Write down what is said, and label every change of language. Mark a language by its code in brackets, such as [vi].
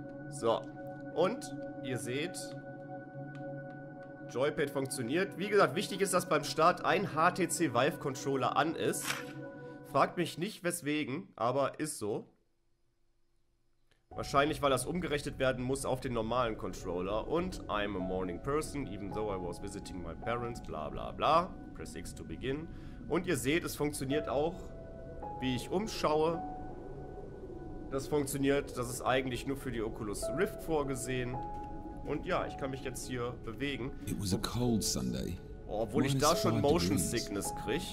[de] So, und ihr seht, Joypad funktioniert. Wie gesagt, wichtig ist, dass beim Start ein HTC Vive Controller an ist. Fragt mich nicht weswegen, aber ist so. Wahrscheinlich, weil das umgerechnet werden muss auf den normalen Controller. [en] Und I'm a morning person, even though I was visiting my parents, bla bla bla. Press X to begin. [de] Und ihr seht, es funktioniert auch, wie ich umschaue. Das funktioniert, das ist eigentlich nur für die Oculus Rift vorgesehen. Und ja, ich kann mich jetzt hier bewegen. [en] It was a cold Sunday. [de] Obwohl ich da schon Motion Sickness kriege.